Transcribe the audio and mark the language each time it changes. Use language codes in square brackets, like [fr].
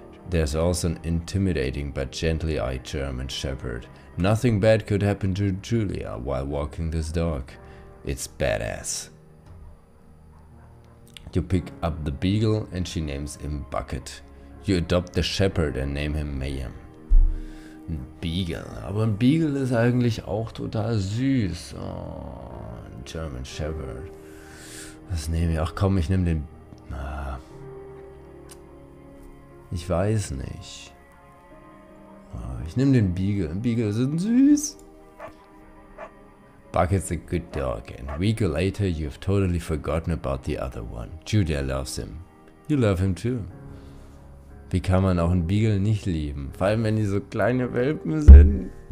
[en] There's also an intimidating but gently eyed German Shepherd. Nothing bad could happen to Julia while walking this dog. It's badass. You pick up the beagle and she names him Bucket. You adopt the Shepherd and name him Mayhem. [de] Ein Beagle. Aber ein Beagle ist eigentlich auch total süß. Oh, ein German Shepherd. Was nehme ich? Ach komm, ich nehme den. Ich weiß nicht. Ich nehme den Beagle. Beagle sind süß. [en] Bucket's a good dog. And a week later, you've totally forgotten about the other one. Julia loves him. You love him too. [de] Wie kann man auch einen Beagle nicht lieben? Vor allem, wenn die so kleine Welpen sind.